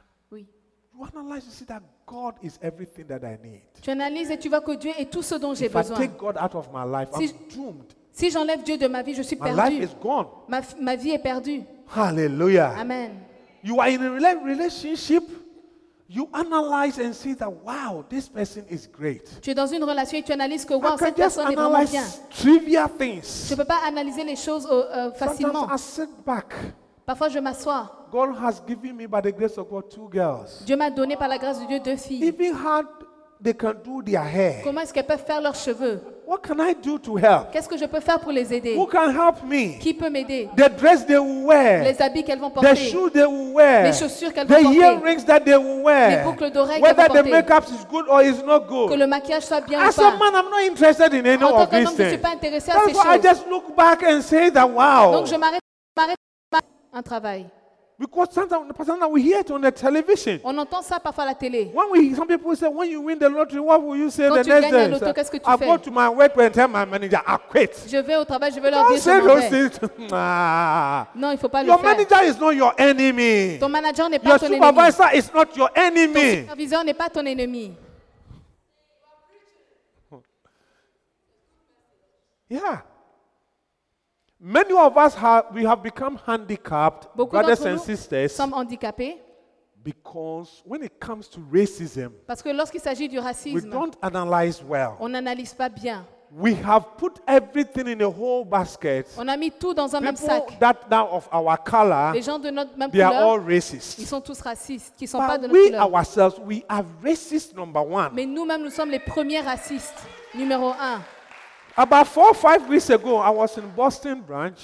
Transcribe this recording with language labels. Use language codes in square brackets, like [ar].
[en] You analyze, you see that God is everything that I need. [fr] Tu analyses et tu vois que Dieu est tout ce dont j'ai [en] if [fr] besoin. [en] If I take God out of my life, si, I'm doomed. [fr] Si j'enlève Dieu de ma vie, je suis [en] my [fr] perdu. [en] My life is gone. [fr] Ma vie est perdue. Hallelujah. Amen. [en] You are in a relationship. You analyze and see that wow, this person is great. [fr] Tu es dans une relation et tu analyses que wow, cette personne est vraiment [en] bien. I can just analyze trivial things. [fr] Je peux pas analyser les choses facilement. [en] Sometimes I sit back. [fr] Parfois je m'assois. [en] God has given me by the grace of God 2 girls. [fr] Dieu m'a donné par la grâce de Dieu 2 filles. [en] Even how they can do their hair. [fr] Comment est-ce qu'elles peuvent faire leurs cheveux? [en] What can I do to help? [fr] Qu'est-ce que je peux faire pour les aider? [en] Who can help me? [fr] Qui peut m'aider? [en] The dress they will wear. [fr] Les habits qu'elles vont porter. [en] The shoes they will wear. [fr] Les chaussures qu'elles vont porter. [en] The earrings that they will wear. [fr] Les boucles d'oreilles [en] whether [fr] qu'elles vont [en] the [fr] porter. [en] Makeup is good or is not good. [fr] Que le maquillage soit bien [en] as [fr] ou pas. [en] As a man, I'm not interested in any [fr] en [en] of these things. [fr] Je suis pas intéressé [en] that's [fr] à ces choses. [en] I just look back and say that wow. [fr] Donc je m'arrête un travail. [en] Because sometimes we hear it on the television. [fr] On entend ça parfois à la télé. [en] When we, some people say, when you win the lottery, what will you say [fr] quand [en] the next day? [fr] Quand tu gagnes le loto, qu'est-ce que tu fais? [en] I go to my work and tell my manager, I quit. [fr] Je vais au travail, je vais leur dire je m'en vais. Non, il faut pas le faire. [en] Your manager is not your enemy. [fr] Ton manager n'est pas [en] your [fr] ton [en] ennemi. Your supervisor is not your enemy. [fr] Ton superviseur n'est pas ton ennemi. [en] Yeah. Many of us have become handicapped, [fr] beaucoup [en] brothers and sisters, [fr] sommes handicapés, [en] Because when it comes to racism, [fr] parce que lorsqu'il s'agit du racisme, [en] we don't analyze well. [fr] On n'analyse pas bien. [en] We have put everything in a whole basket. [fr] On a mis tout dans un [en] people [fr] même sac. [en] That now of our color, [fr] les gens de notre même [en] they [fr] couleur, [en] are all racist. [fr] Ils sont tous racistes, qui sont [en] but [fr] pas de notre [en] we [fr] couleur. [en] Ourselves, we are racist number one. [fr] Mais nous-mêmes, nous sommes les premiers racistes, numéro un. [en] About 4 or 5 weeks ago, I was in Boston branch.